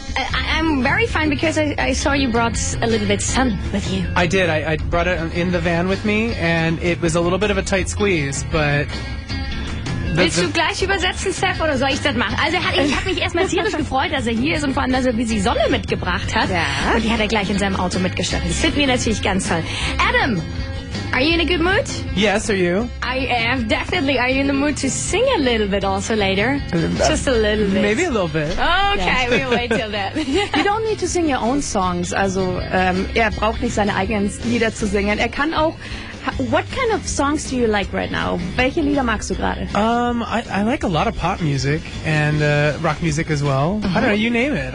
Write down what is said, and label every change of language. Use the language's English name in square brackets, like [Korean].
[English] I'm very fine because I saw you brought a little bit sun with you. I did. I brought it in the van with me, and it was a little bit of a tight squeeze, but... [German] Willst du gleich übersetzen, Steph, oder soll ich das machen? Also ich habe mich erstmal tierisch gefreut, dass er hier ist und vor allem, dass er die Sonne mitgebracht hat. Ja. Und die hat er gleich in seinem Auto mitgeschleppt. Das finden wir natürlich ganz toll. [English] Adam, are you in a good mood? Yes, are you? I am, definitely. Are you in the mood to sing a little bit also later? Just a little bit. Maybe a little bit. Okay, yeah. We'll wait till that. You don't need to sing your own songs. [German] Also er braucht nicht seine eigenen Lieder zu singen. Er kann auch... [English] What kind of songs do you like right now? [German] Welche Lieder magst du gerade? [English] I like a lot of pop music and rock music as well. Mm-hmm. I don't know, you name it.